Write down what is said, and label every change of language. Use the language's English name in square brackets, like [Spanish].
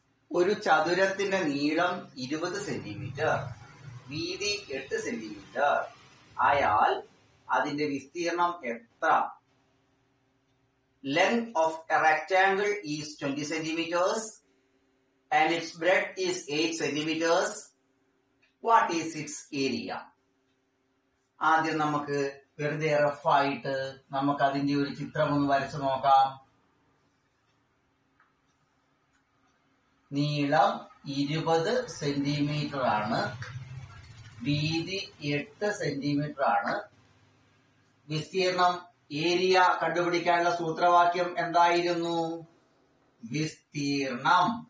[Malayalam] ഒരു ചതുരത്തിന്റെ നീളം 20 സെന്റിമീറ്റർ, വീതി 8 സെന്റിമീറ്റർ ആയാൽ അതിന്റെ വിസ്തീർണം എത്ര? [English] Length of a rectangle is 20 centimeters and its breadth is 8 centimeters. What is its area? [Malayalam] ആദ്യം നമുക്ക് വെറുതെ റഫ് ആയിട്ട് നമുക്ക് അതിന്റെ ഒരു ചിത്രം ഒന്ന് വരച്ചു നോക്കാം. നീളം 20 സെന്റിമീറ്റർ ആണ്, വീതി 8 സെന്റിമീറ്റർ ആണ്, വിസ്തീർണം ഏരിയ കണ്ടുപിടിക്കാനുള്ള സൂത്രവാക്യം എന്തായിരുന്നു? വിസ്തീർണം